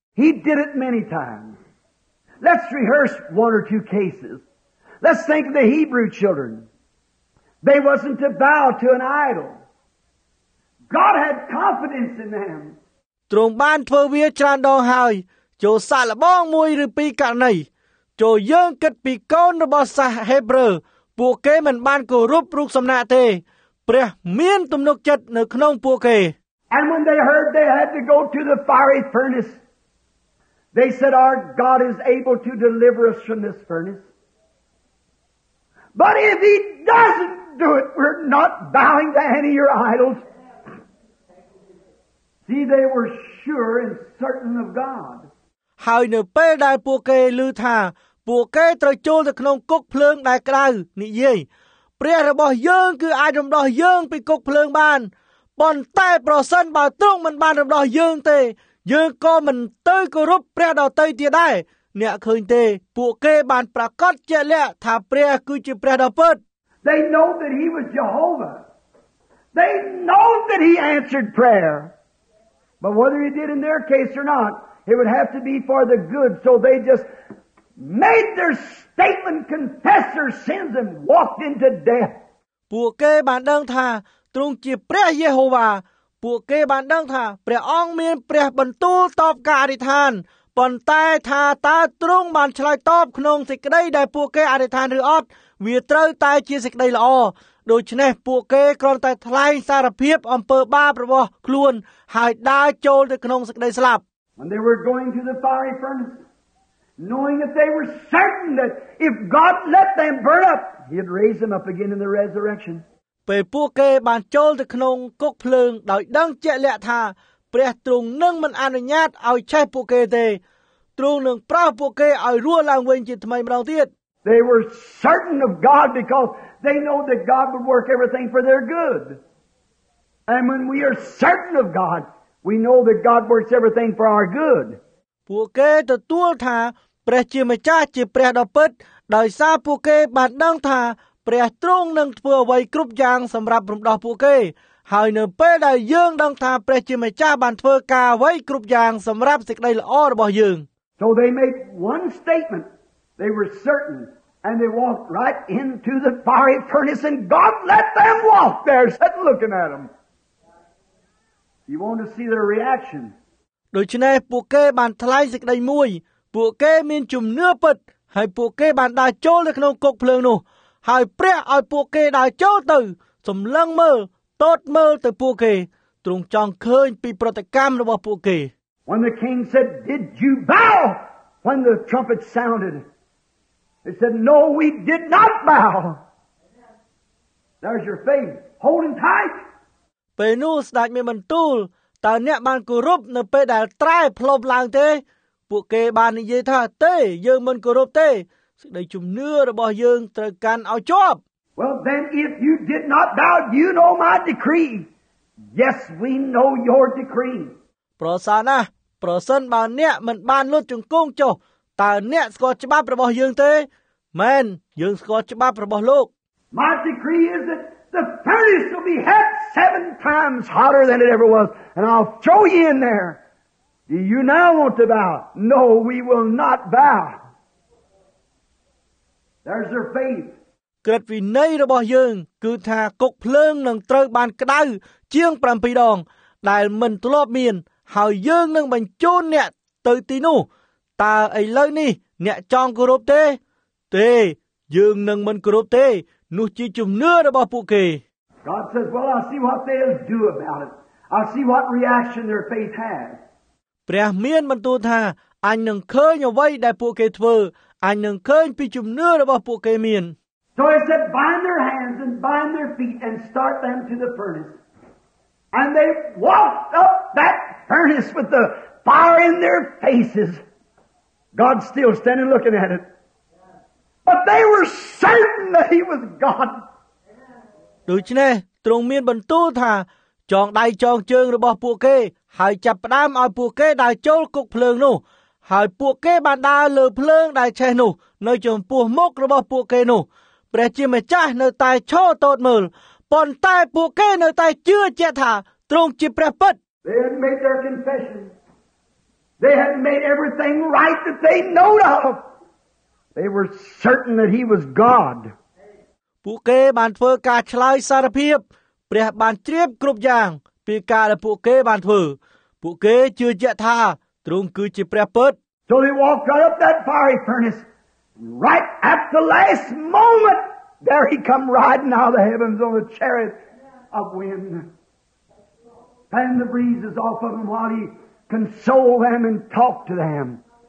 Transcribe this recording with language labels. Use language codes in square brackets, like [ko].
[en] He did it many times. Let's rehearse one or two cases. Let's think of the Hebrew children. They wasn't to bow to an idol. God had confidence in them. [km] ទ្រង់បានធ្វើវាច្រើនដងហើយចូលសាកល្បងមួយឬពីរករណីចូលយើងគិតពីកូនរបស់សាសហេប្រឺពួកគេមិនបានគោរពរូបសំណាកទេព្រះមានទំនុកចិត្តនៅក្នុងពួកគេ [en] And when they heard they had to go to the fiery furnace they said our God is able to deliver us from this furnace but if he doesn't do it we're not bowing to any of your idolsSee, they were sure and certain of God. [km] ហើយនៅពេលដែលពួកគេឮថាពួកគេត្រូវចូលទៅក្នុងគុកភ្លើងដែលក្តៅនិយាយព្រះរបស់យើងគឺអាចរំដោះយើងពីគុកភ្លើងបានប៉ុន្តែប្រសិនបើទ្រង់មិនបានរំដោះយើងទេយើងក៏មិនទៅគោរពព្រះដ៏ទៅទៀតដែរអ្នកឃើញទេពួកគេបានប្រកាសជាក់លាក់ថាព្រះគឺជាព្រះដ៏ពិត [en] They know that he was Jehovah. They know that he answered prayer. But whether he did in their case or not, it would have to be for the good. So they just made their statement, confessed their sins, and walked into death. [km] ពួកគេបានដឹងថាទ្រង់ជាព្រះយេហូវ៉ាពួកគេបានដឹងថាព្រះអង្គមានព្រះបន្ទូលតបការអធិដ្ឋានប៉ុន្តែថាតើទ្រង់បានឆ្លើយតបក្នុងសេចក្តីដែលពួកគេអធិដ្ឋានឬអត់វាត្រូវតែជាសេចក្តីល្អដូច្នេះពួកគេគ្រាន់តែថ្លែងសារភាពអំពើបាបរបស់ខ្លួនហើយដើរចូលទៅក្នុងសេចក្តីស្លាប់ [en] When they were going to the fiery furnace knowing that they were certain that if God let them burn up he'd raise them up again in the resurrection [km] ពេលពួកគេបានចូលទៅក្នុងគុកភ្លើងដោយដឹងជាក់លាក់ថាព្រះទ្រង់នឹងមិនអនុញ្ញាតឲ្យឆេះពួកគេទេទ្រង់នឹងប្រោសពួកគេឲ្យរស់ឡើងវិញជាថ្មីម្ដងទៀត [en] They were certain of God becauseThey know that God would work everything for their good. And when we are certain of God, we know that God works everything for our good. [km] ពួកគេទទួលថាព្រះជាម្ចាស់ជាព្រះដ៏ពិតដោយសារពួកគេបានដឹងថាព្រះទ្រង់នឹងធ្វើអ្វីគ្រប់យ៉ាងសម្រាប់រំដោះពួកគេហើយនៅពេលដែលយើងដឹងថាព្រះជាម្ចាស់បានធ្វើការអ្វីគ្រប់យ៉ាងសម្រាប់សេចក្តីល្អរបស់យើង [en] So they made one statement. They were certainAnd they walked right into the fiery furnace, and God let them walk there, sat looking at them. You want to see their reaction. [km] ដូច្នេះពួកគេបានថ្លែងសេចក្តីមួយពួកគេមានជំនឿពិតហើយពួកគេបានដើរចូលទៅក្នុងគុកភ្លើងនោះហើយព្រះឲ្យពួកគេដើរចូលទៅសម្លឹងមើលតតមើលទៅពួកគេទ្រង់ចង់ឃើញពីប្រតិកម្មរបស់ពួកគេ [en] When the king said, "Did you bow when the trumpet sounded?" He said, no, we did not bow. There's your faith. Hold him tight. [km] ពេលនោះស្ដេចមានបន្ទូលតើអ្នកបានគោរពនៅពេលដែលត្រែផ្លុំឡើងទេពួកគេបាននិយាយថាទេយើងមិនគោរពទេសេចក្តីជំនឿរបស់យើងត្រូវកាន់ឲ្យជាប់ [en] But Well, then if you did not doubt, you know my decree. Yes, we know your decree. [km] ប្រសាណាប្រសិនបើអ្នកមិនបានលុតជង្គង់ចុះតើអ្នកស្គាល់ច្បាប់របស់យើងទេមែនយើងស្គាល់ច្បាប់របស់លោក [en] My decree is that the furnace will be hot 7 times hotter than it ever was and I'll throw you in there. Do you now want to bow? No, we will not bow. There's your faith. [km] ក្រិតវិន័យរបស់យើងគឺថាគុកភ្លើងនឹងត្រូវបានក្តៅជាង7ដងដែលមិនធ្លាប់មានហើយយើងនឹងបញ្ជូនអ្នកទៅទីនោះតើឥឡូវនេះអ្នកចង់គោរពទេទេយើងនឹងមិនគោរពទេនោះជាជំនឿរបស់ពួកគេ [en] God says, well, I'll see what they'll do about it. I'll see what reaction their faith has. [km] ព្រះមានបន្ទូលថាអញនឹងឃើញអ្វីដែលពួកគេធ្វើអញនឹងឃើញពីជំនឿរបស់ពួកគេមាន [en] So he said, bind their hands and bind their feet and start them to the furnace. And they walked up that furnace with the fire in their faces. God's still standing looking at it. But they were certain that he was God. [km] ដូច្នេះទ្រង់មានបន្ទូលថាចងដៃចងជើងរបស់ពួកគេហើយចាប់ផ្ដើមឲ្យពួកគេដើរចូលគុកភ្លើងនោះហើយពួកគេបានដើរលើភ្លើងដែលឆេះនោះនៅចំពោះមុខរបស់ពួកគេនោះព្រះជាម្ចាស់នៅតែឈរតូតមើលប៉ុន្តែពួកគេនៅតែជឿជាក់ថាទ្រង់ជាព្រះពិត [en] They had made their confession. They had made everything right that they know of. They were certain that he was God. [km] ពួកគេបានធ្វើការឆ្លើយសារភាពព្រះបានជ្រាបគ្រប់យ៉ាងពីការដែលពួកគេបានធ្វើពួកគេជឿជាក់ថាទ្រង់គឺជាព្រះពិត [en] So they walked up that fiery furnace. Right at the last moment, there he come riding out of the heavens on a chariot of wind. Fanned the breezes off of him while he consoled them and talked to them.